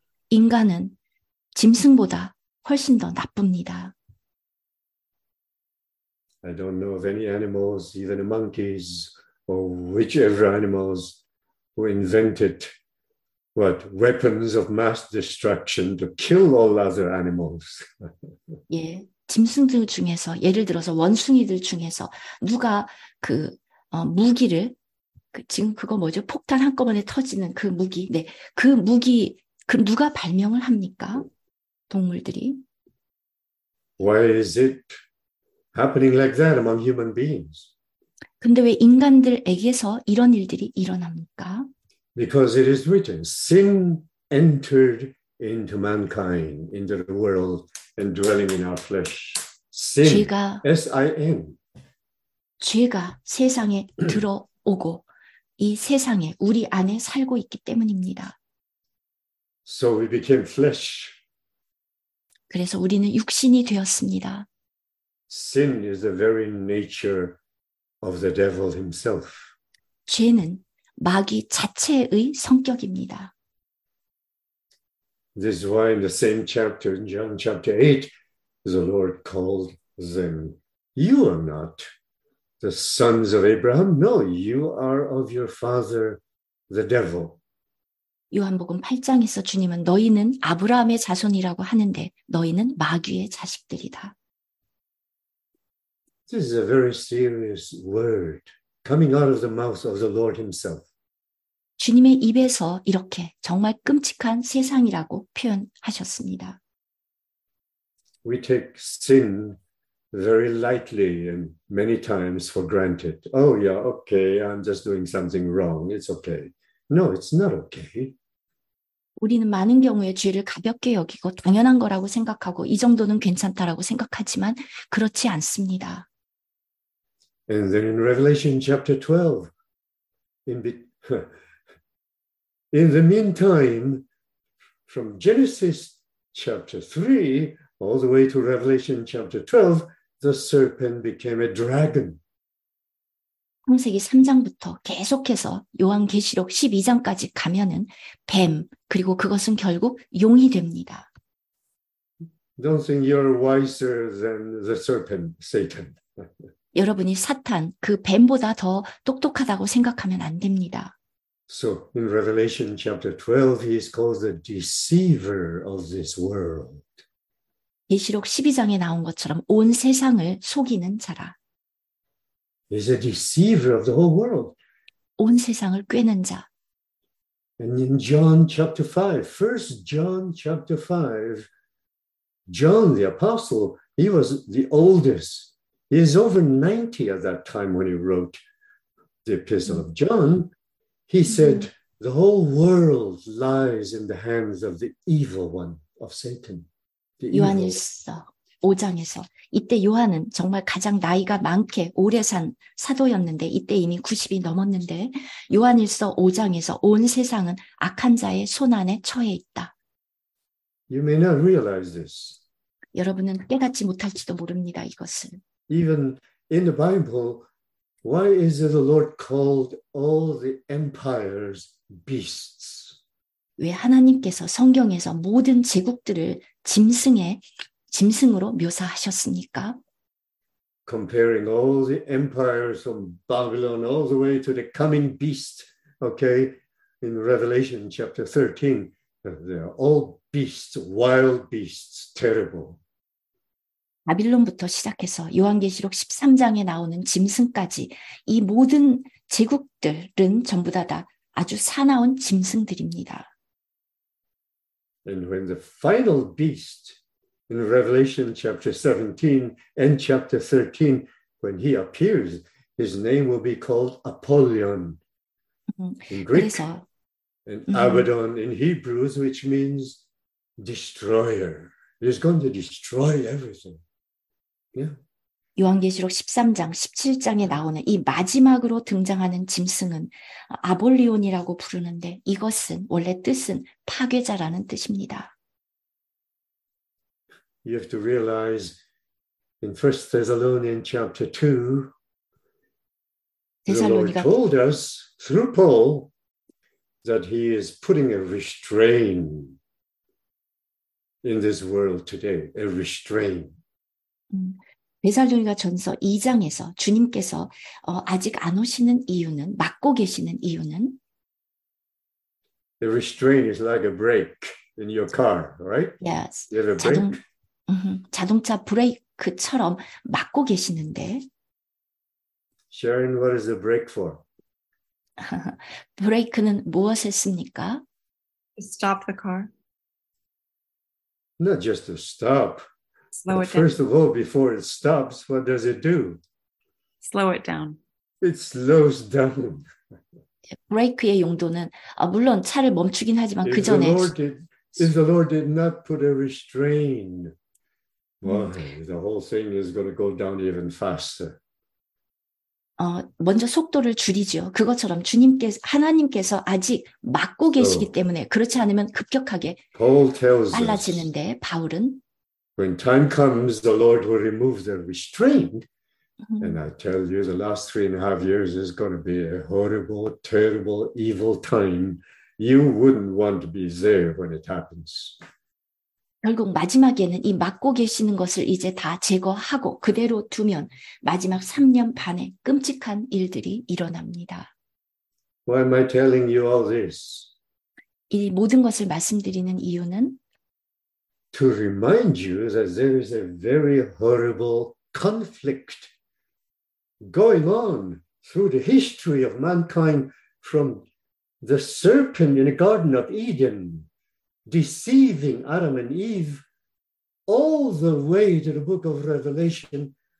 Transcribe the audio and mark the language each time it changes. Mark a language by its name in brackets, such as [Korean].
[Korean] 인간은 짐승보다 훨씬 더 나쁩니다. [English] I don't know of any animals, even monkeys or whichever animals who invented what weapons of mass destruction to kill all other animals. [Korean] 예, 짐승들 중에서 예를 들어서 원숭이들 중에서 누가 그 무기를 지금 그거 뭐죠? 폭탄 한꺼번에 터지는 그 무기. 네. 그 무기 그 누가 발명을 합니까? 동물들이. [English] Why is it happening like that among human beings? [Korean] 근데 왜 인간들에게서 이런 일들이 일어납니까? [English] Because it is written, sin entered into mankind, into the world and dwelling in our flesh. Sin. S-I-N. [Korean] 죄가 세상에 들어오고 이 세상에 우리 안에 살고 있기 때문입니다. [English] So we became flesh. [Korean] 그래서 우리는 육신이 되었습니다. [English] Sin is the very nature of the devil himself. [Korean] 죄는 마귀 자체의 성격입니다. [English] This is why in the same chapter in John chapter 8 the Lord called them you are not the sons of Abraham? No, you are of your father, the devil. [Korean] 요한복음 8장에서 주님은 너희는 아브라함의 자손이라고 하는데 너희는 마귀의 자식들이다. [English] This is a very serious word coming out of the mouth of the Lord himself. [Korean] 주님의 입에서 이렇게 정말 끔찍한 세상이라고 표현하셨습니다. [English] We take sin very lightly and many times for granted. Oh yeah, okay, I'm just doing something wrong. It's okay. No, it's not okay. [Korean] 우리는 많은 경우에 죄를 가볍게 여기고 당연한 거라고 생각하고 이 정도는 괜찮다라고 생각하지만 그렇지 않습니다. [English] And then in Revelation chapter 12, in the meantime, from Genesis chapter 3 all the way to Revelation chapter 12, the serpent became a dragon. [Korean] 창세기 3장부터 계속해서 요한계시록 12장까지 가면은 뱀, 그리고 그것은 결국 용이 됩니다. [English] Don't think you're wiser than the serpent, Satan. [Korean] 여러분이 사탄, 그 뱀보다 더 똑똑하다고 생각하면 안 됩니다. [English] So in Revelation chapter 12, he is called the deceiver of this world. [Korean] 계시록 12장에 나온 것처럼 온 세상을 속이는 자라. [English] He's a deceiver of the whole world. [Korean] 온 세상을 꾀는 자. [English] And in John chapter 5, 1 John chapter 5, John the apostle, he was the oldest. He is over 90 at that time when he wrote the epistle of John. He said, the whole world lies in the hands of the evil one, of Satan. [Korean] 요한일서 5장에서 이때 요한은 정말 가장 나이가 많게 오래 산 사도였는데 이때 이미 90이 넘었는데 요한일서 5장에서 온 세상은 악한 자의 손안에 처해 있다. [English] You may not realize this. [Korean] 여러분은 깨닫지 못할지도 모릅니다. 이것을. [English] Even in the Bible, why is the Lord called all the empires beasts? [Korean] 왜 하나님께서 성경에서 모든 제국들을 짐승의 짐승으로 묘사하셨습니까? [English] Comparing all the empires from Babylon all the way to the coming beast, okay? In Revelation chapter 13, they are all beasts, wild beasts, terrible. [Korean] 바빌론부터 시작해서 요한계시록 13장에 나오는 짐승까지 이 모든 제국들은 전부 다 아주 사나운 짐승들입니다. [English] And when the final beast in Revelation chapter 17 and chapter 13, when he appears, his name will be called Apollyon in Greek [Korean] 그래서, [English] and Abaddon in Hebrews, which means destroyer. He's going to destroy everything. Yeah. [Korean] 요한계시록 13장, 17장에 나오는 이 마지막으로 등장하는 짐승은 아볼리온이라고 부르는데 이것은 원래 뜻은 파괴자라는 뜻입니다. [English] You have to realize in 1 Thessalonians chapter 2 [Korean] 데살로니가... [English] the Lord told us through Paul that he is putting a restrain in this world today. A restrain. [Korean] 데살로니가 전서 2장에서 주님께서 아직 안 오시는 이유는 막고 계시는 이유는 [English] The restraint is like a brake in your car, right? Yes. You have a brake. [Korean] 자동차 브레이크처럼 막고 계시는데 [English] Sharon, what is the brake for? [Korean] 브레이크는 무엇을 씁니까? [English] Stop the car. Not just to stop. First of all, before it stops, what does it do? Slow it down. It slows down. [Korean] 브레이크의 용도는 물론 차를 멈추긴 하지만 그 전에 [English] If the Lord did not put a restraint, the whole thing is going to go down even faster. [Korean] 먼저 속도를 줄이죠. 그것처럼 주님께서 하나님께서 아직 막고 계시기 때문에 그렇지 않으면 급격하게 [English] Paul tells [Korean] 빨라지는데 [English] us. [Korean] 바울은 [English] When time comes, the Lord will remove the restraint. And I tell you, the last 3.5 years is going to be a horrible, terrible, evil time. You wouldn't want to be there when it happens. [Korean] 결국 마지막에는 이 막고 계시는 것을 이제 다 제거하고 그대로 두면 마지막 3년 반의 끔찍한 일들이 일어납니다. [English] Why am I telling you all this? [Korean] 이 모든 것을 말씀드리는 이유는 [English] To remind you that there is a very horrible conflict going on through the history of mankind from the serpent in the Garden of Eden deceiving Adam and Eve all the way to the book of Revelation.